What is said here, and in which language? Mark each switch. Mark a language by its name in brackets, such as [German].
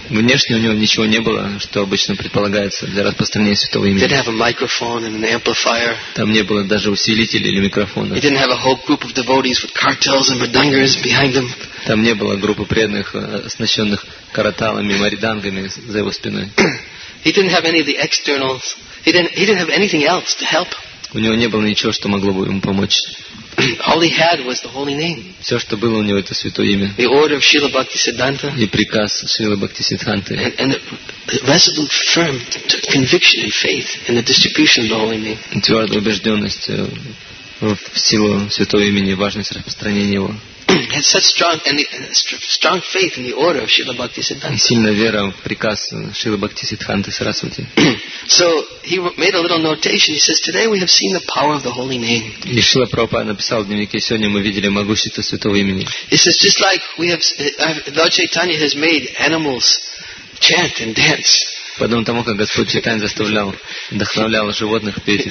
[Russian] Внешне у него ничего не было, что обычно предполагается для распространения святого имени. [English] He didn't have a microphone and an amplifier. [Russian] Там не было даже усилителя или микрофона. [English] He didn't have a whole group of devotees with cartels and mridangas behind him. [Russian] Там не было группы преданных, оснащенных караталами и мридангами за его спиной. [English] He didn't have any of the externals. He didn't have anything else to help. [Russian] У него не было ничего, что могло бы ему помочь. [English] All he had was the holy name. [Russian] Все, что было у него, это святое имя. [English] The order of Śrīla Bhaktisiddhānta. [Russian] И приказ Śrīla Bhaktisiddhānta. [English] And the resolute firm conviction and faith in the distribution of the holy name. [Russian] И твердая убежденность в силу святого имени и важность распространения его. [English] Had such strong faith in the order of Śrīla Bhaktisiddhānta. [Russian] И сильная вера в приказ Śrīla Bhaktisiddhānta Sarasvati. [English] So he made a little notation. He says, "Today we have seen the power of the holy name." [Russian] И Шрила Прабхупада написал в дневнике: "Сегодня мы видели могущество святого имени." [English] He says, "Just like we have, Lord Chaitanya has made animals chant and dance." [Russian] Подобно тому, как Господь Чайтанья заставлял, вдохновлял животных петь и